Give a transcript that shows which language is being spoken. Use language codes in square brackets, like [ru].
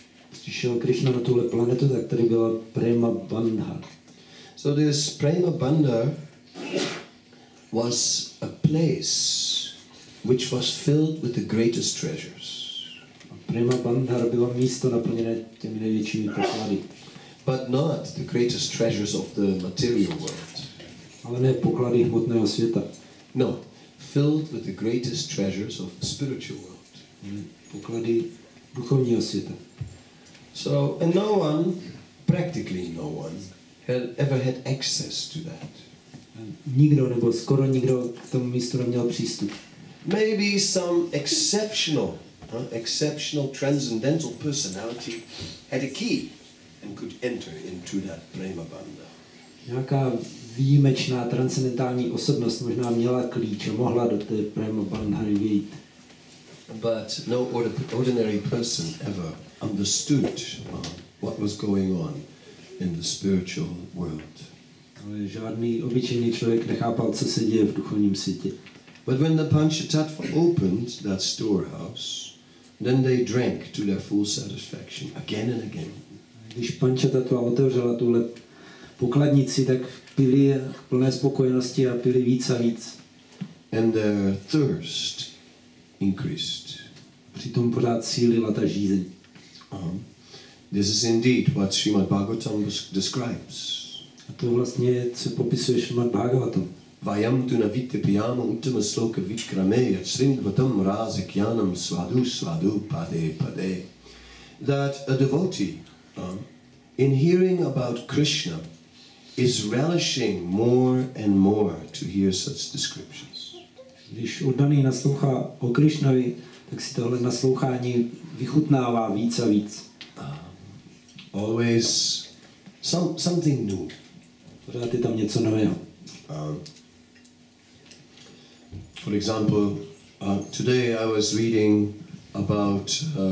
[cs] Přišel Krishna na tuhle planetu, tak tady byla Prema Bandha. [en] So this Prema Bandha was a place which was filled with the greatest treasures. [cs] Prema Bandha bylo místo naplněné těmi největšími poklady. [en] but not the greatest treasures of the material world. [cs] Ale ne poklady hmotného světa. [en] No, filled with the greatest treasures of the spiritual world. [cs] Poklady duchovního světa. [en] So, and no one, practically no one, had ever had access to that. [cs] Nikdo nebo skoro nikdo k tomu místu neměl přístup. [en] Maybe some exceptional transcendental personality had a key and could enter into that prema banda. [cs] Nějaká výjimečná transcendentální osobnost možná měla klíč a mohla do té prema bandhary vyjít. [en] But no ordinary person ever understood what was going on in the spiritual world. [cs] Ale žádný obyčejný člověk nechápal, co se děje v duchovním světě. [en] But when the Panchatattva opened that storehouse, then they drank to their full satisfaction again and again. [cs] Když Panchatattva otevřela tuhle pokladnici, tak pili v plné spokojenosti a pili víc a víc. [en] And their thirst increased. [cs] Přitom pořád sílila ta žízeň. [en] This is indeed what Srimad Bhagavatam describes. [cs] A to vlastně je, co popisuje Srimad Bhagavatam. [sa] Vayam tu na vitte piyama uttama sloka vikrame yat srimdvatam rasa kyanam svadu svadu pade pade. [en] That a devotee, in hearing about Krishna, is relishing more and more to hear such descriptions. [cs] Když oddaný naslouchá o Krishnovi, tak si tohle naslouchání vychutnává víc a víc. [en] Always something new. [cs] Pořád je tam něco nového. [en] For example, today I was reading about